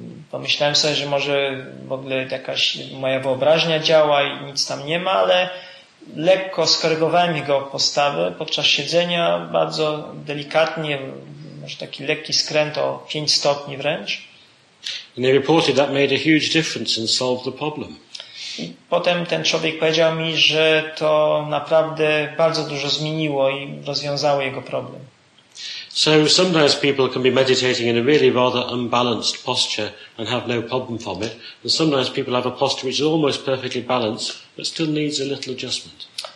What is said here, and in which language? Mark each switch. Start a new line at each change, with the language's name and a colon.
Polish: Pomyślałem sobie, że może w ogóle jakaś moja wyobraźnia działa i nic tam nie ma, ale lekko skorygowałem jego postawę podczas siedzenia, bardzo delikatnie, może taki lekki skręt o 5 stopni wręcz.
English: And he reported that made a huge difference and solved the problem.
Polish: I potem ten człowiek powiedział mi, że to naprawdę bardzo dużo zmieniło i rozwiązało jego problem.
English: So sometimes people can be meditating in a really rather unbalanced posture and have no problem from it. And sometimes people have a posture which is almost perfectly balanced, but still needs a little adjustment.